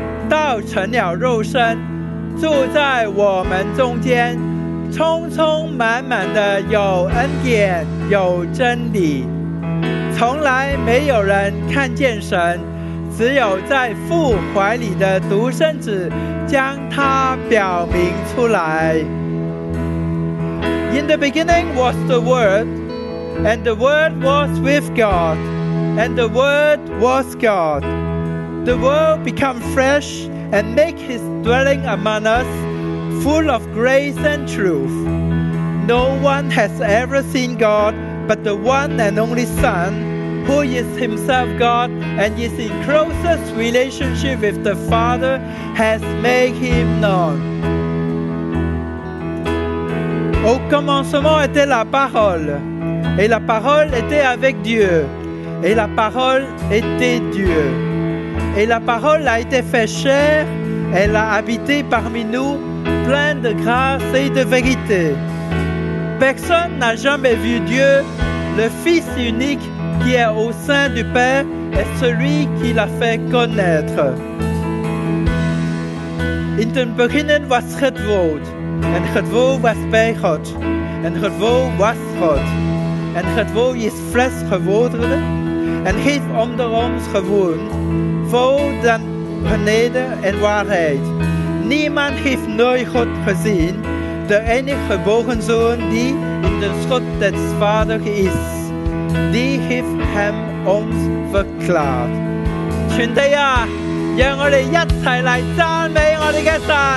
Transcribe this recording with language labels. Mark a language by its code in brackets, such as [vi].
[zh] 道成了肉身，住在我们中间，充充满满的有恩典，有真理。从来没有人看见神，只有在父怀里的独生子将他表明出来。 [en] In the beginning was the word,And the Word was with God, and the Word was God. The Word became flesh and made His dwelling among us, full of grace and truth. No one has ever seen God but the one and only Son, who is Himself God and is in closest relationship with the Father, has made Him known. [fr] Au commencement était la parole. Et la parole était avec Dieu. Et la parole était Dieu. Et la parole a été faite chair. Elle a habité parmi nous, pleine de grâce et de vérité. Personne n'a jamais vu Dieu. Le Fils unique qui est au sein du Père est celui qui l'a fait connaître. [en] In the beginning was [nl] het woord. En het woord was bij God. En het woord was God. En het woord is vlees geworden en heeft onder ons gewoond, vol dan beneden en waarheid. Niemand heeft nooit God gezien, de enige geboren zoon die in de schoot des vaders is. Die heeft hem ons verklaard. [zh] 全地啊，让我们一起来赞美我们的神。